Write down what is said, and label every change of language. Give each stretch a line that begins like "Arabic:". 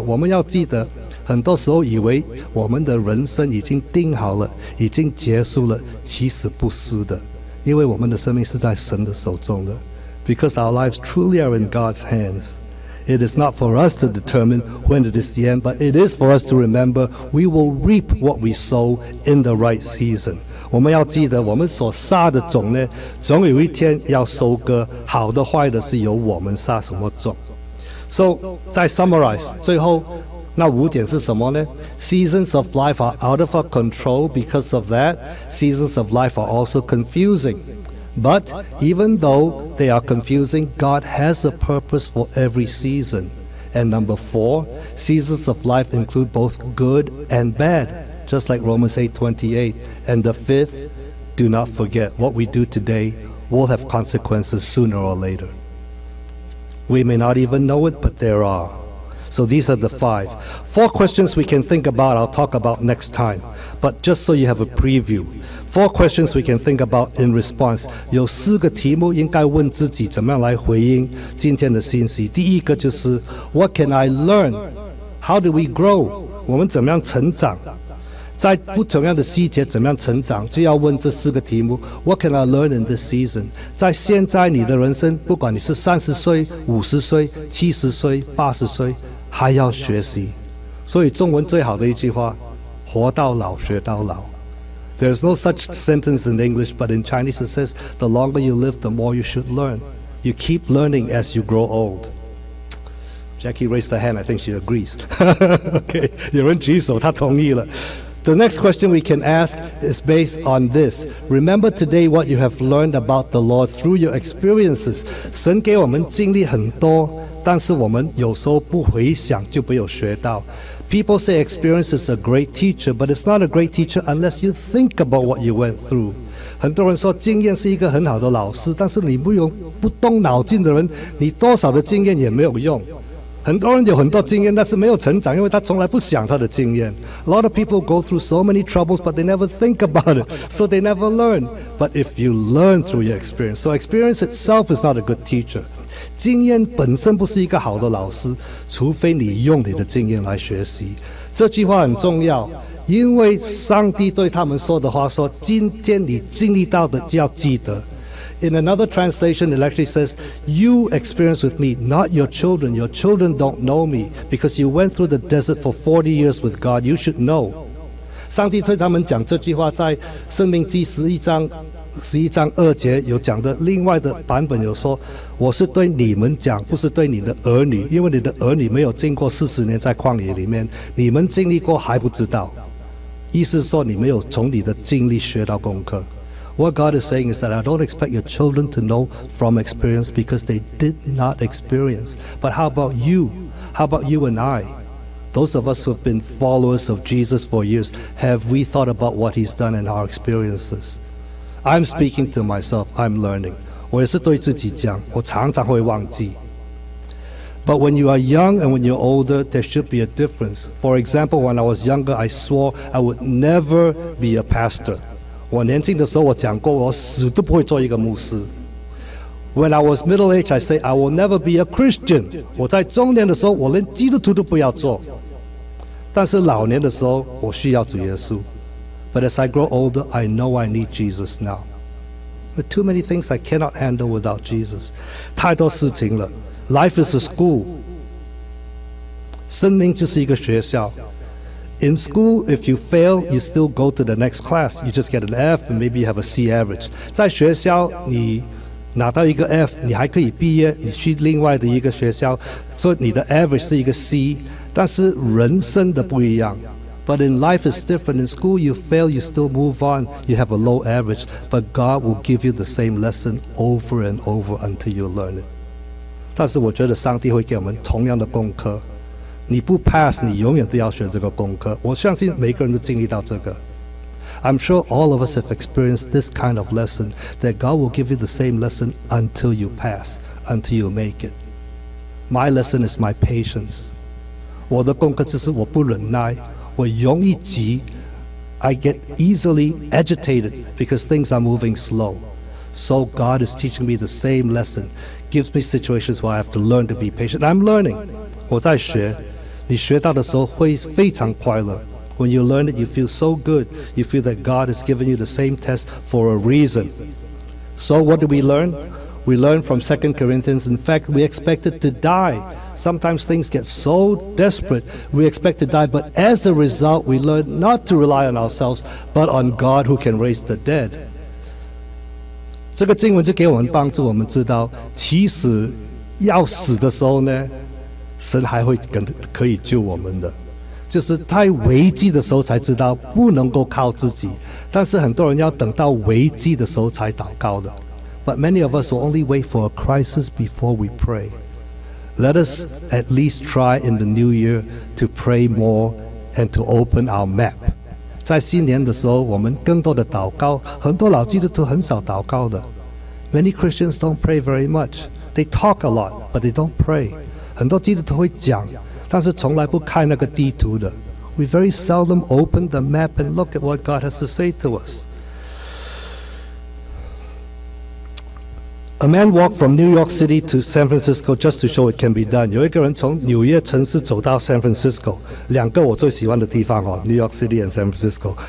Chinese: 我们要记得很多时候以为我们的人生已经定好了已经结束了其实不是的因为我们的生命是在神的手中的
English: Because our lives truly are in God's hands. It is not for us to determine when it is the end, but it is for us to remember we will reap what we sow in the right season.
Chinese: 我们要记得我们所撒的种呢总有一天要收割好的坏的是由我们撒什么种。 So, 再 summarize, 最后那五点是什么呢?
English: Seasons of life are out of our control because of that. Seasons of life are also confusing. But even though they are confusing, God has a purpose for every season. And number four, seasons of life include both good and bad, just like Romans 8:28. And the fifth, do not forget, what we do today will have consequences sooner or later. We may not even know it, but there are. So these are the five. Four questions we can think about, I'll talk about next time. But just so you have a preview,Four questions we can think about in response.
Chinese: 有四个题目应该问自己怎么样来回应今天的信息。第一个就是
English: What can I learn? How do we grow?
Chinese: 我们怎么样成长？在不同样的细节怎么样成长？就要问这四个题目
English: What can I learn in this season?
Chinese: 在现在你的人生，不管你是30岁、50岁、70岁、80岁，还要学习。所以中文最好的一句话：活到老，学到老。
English: There's no such sentence in English, but in Chinese it says, the longer you live, the more you should learn. You keep learning as you grow old. Jackie raised her hand, I think she agrees.
Chinese: Okay, 有人举手，她同意了。
English: The next question we can ask is based on this. Remember today what you have learned about the Lord through your experiences.
Chinese: 神给我们经历很多，但是我们有时候不回想就没有学到。
English: People say experience is a great teacher, but it's not a great teacher unless you think about what you went through.
Chinese: 很多人说经验是一个很好的老师，但是你不用不动脑筋的人，你多少的经验也没有用。很多人有很多经验，但是没有成长，因为他从来不想他的经验。
English: A lot of people go through so many troubles, but they never think about it, so they never learn. But if you learn through your experience, so experience itself is not a good teacher.
Chinese: 经验本身不是一个好的老师，除非你用你的经验来学习。这句话很重要，因为上帝对他们说的话说，今天你经历到的就要记得。
English: In another translation, it actually says, you experience with me, not your children. Your children don't know me, because you went through the desert for 40 years with God. You should know.
Chinese: 上帝对他们讲这句话在生命记11:2有讲的另外的版本有说我是对你们讲不是对你的儿女因为你的儿女没有经过40年在旷野里面你们经历过还不知道意思说你没有从你的经历学到功课
English: What God is saying is that I don't expect your children to know from experience because they did not experience but how about you how about you and I those of us who have been followers of Jesus for years have we thought about what he's done and our experiencesI'm speaking to myself, I'm learning.
Chinese: 我也是对自己讲，我常常会忘记。
English: But when you are young and when you're older, there should be a difference. For example, when I was younger, I swore I would never be a pastor.
Chinese: 我年轻的时候我讲过我死都不会做一个牧师。
English: When I was middle-aged, I say, I will never be a Christian.
Chinese: 我在中年的时候我连基督徒都不要做。但是老年的时候我需要主耶稣。
English: But as I grow older, I know I need Jesus now. But too many things I cannot handle without Jesus.
Chinese: 太多事情了。
English: Life is a school.
Chinese: 生命就是一个学校。
English: In school, if you fail, you still go to the next class. You just get an F and maybe you have a C average.
Chinese: 在学校你拿到一个 F, 你还可以毕业，你去另外的一个学校，所以你的 average 是一个 C, 但是人生的不一样。
English: But in life is different. In school, you fail, you still move on, you have a low average, but God will give you the same lesson over and over until you learn it.
Chinese: 但是我觉得上帝会给我们同样的功课。你不 pass, 你永远都要学这个功课。我相信每个人都经历到这个。
English: I'm sure all of us have experienced this kind of lesson, that God will give you the same lesson until you pass, until you make it. My lesson is my patience.
Chinese: 我的功课就是我不忍耐，我容易急，
English: I get easily agitated because things are moving slow. So God is teaching me the same lesson, gives me situations where I have to learn to be patient. I'm learning.
Chinese: 我在学，你学到的时候会非常快乐。
English: When you learn it, you feel so good. You feel that God has given you the same test for a reason. So what do we learn? We learn from 2 Corinthians. In fact, we expected to die. Sometimes things get so desperate, we expect to die. But as a result, we learn not to rely on ourselves, but on God who can raise the dead.
Chinese: 这个经文就给我们帮助我们知道，其实要死的时候呢，神还会可以救我们的。就是太危机的时候才知道不能够靠自己，但是很多人要等到危机的时候才祷告的。
English: But many of us will only wait for a crisis before we pray. Let us at least try in the new year to pray more and to open our map.
Chinese: 在新年的时候，我们更多的祷告。很多老基督徒很少祷告的。
English: Many Christians don't pray very much. They talk a lot, but they don't pray.
Chinese: 很多基督徒会讲。但是从来不开那个地图的。
English: We very seldom open the map and look at what God has to say to us. A man walked from New York City to San Francisco just to show it can be done.
Chinese: 有一个人从纽约城市走到 San Francisco, 两个我最喜欢的地方哦 ,New York City and San Francisco.